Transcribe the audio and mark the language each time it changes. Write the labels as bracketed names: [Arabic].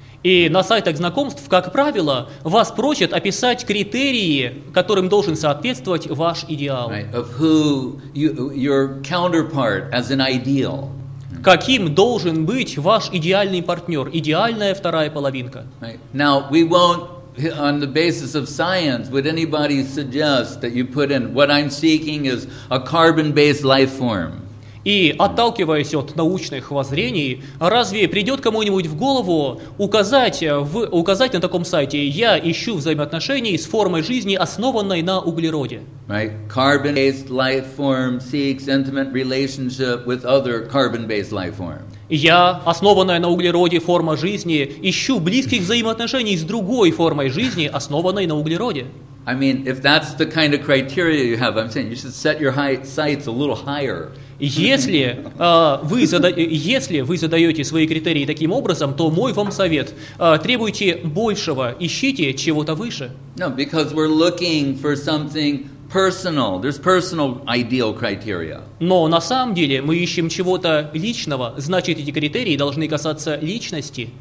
[Russian] И на сайтах знакомств, как правило, вас просят описать критерии, которым должен соответствовать ваш идеал. [English] Right. Of who you, your counterpart as an ideal. [Russian] Каким должен быть ваш идеальный партнер, идеальная вторая половинка? [English] Right. Now, we won't, on the basis of science, would anybody suggest that you put in, what I'm seeking is a carbon-based life form? [Russian] И, отталкиваясь от научных воззрений, разве придет кому-нибудь в голову указать на таком сайте «Я ищу взаимоотношений с формой жизни, основанной на углероде»? [English] Right. Carbon-based life form seeks intimate relationship with other carbon-based life forms. [Russian] Я, основанная на углероде форма жизни, ищу близких взаимоотношений с другой формой жизни, основанной на углероде. [English] I mean, if that's the kind of criteria you have, I'm saying you should set your sights a little higher. [Russian] Если вы задаете свои критерии таким образом, то мой вам совет: требуйте большего, ищите чего-то выше. [English] No, because we're looking for something personal. There's personal ideal criteria. [Russian] Но на самом деле мы ищем чего-то личного, значит, эти критерии должны касаться личности.